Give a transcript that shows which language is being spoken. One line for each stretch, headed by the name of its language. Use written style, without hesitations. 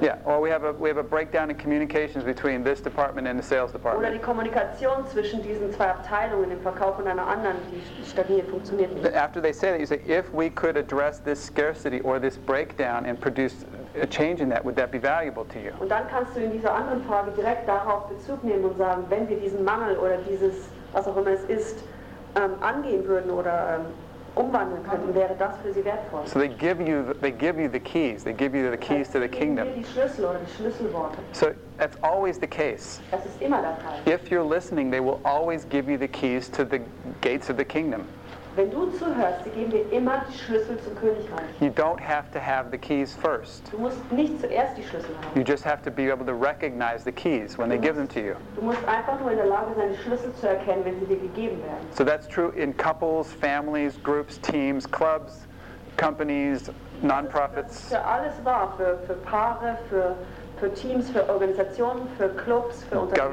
English: Yeah, or we have a breakdown in communications between this department and the sales department.
German: Oder die Kommunikation zwischen diesen zwei Abteilungen, dem Verkauf und einer anderen, die stagniert, funktioniert nicht.
English: After they say that, you say, if we could address this scarcity or this breakdown and produce a change in that, would that be valuable to you?
German: Und dann kannst du in dieser anderen Frage direkt darauf Bezug nehmen und sagen, wenn wir diesen Mangel oder dieses, was auch immer es ist, angehen würden oder umwandeln könnten, wäre das für sie wertvoll.
English: So they give you the keys. They give you the keys
German: heißt,
English: to the kingdom.
German: Die Schlüssel oder die Schlüsselworte.
English: So that's always the case.
German: Das ist immer der Fall.
English: If you're listening, they will always give you the keys to the gates of the kingdom.
German: Wenn du zuhörst, sie geben dir immer die Schlüssel zum Königreich.
English: You don't have to have the keys first.
German: Du musst nicht zuerst die Schlüssel haben.
English: You just have to be able to recognize the keys when they give them to you.
German: Du musst einfach nur in der Lage sein, die Schlüssel zu erkennen, wenn sie dir gegeben werden.
English: So that's true in couples, families, groups, teams, clubs, companies, non-profits.
German: Das ist für alles wahr, für Paare, für Teams, für Organisationen, für Clubs, für Unternehmen,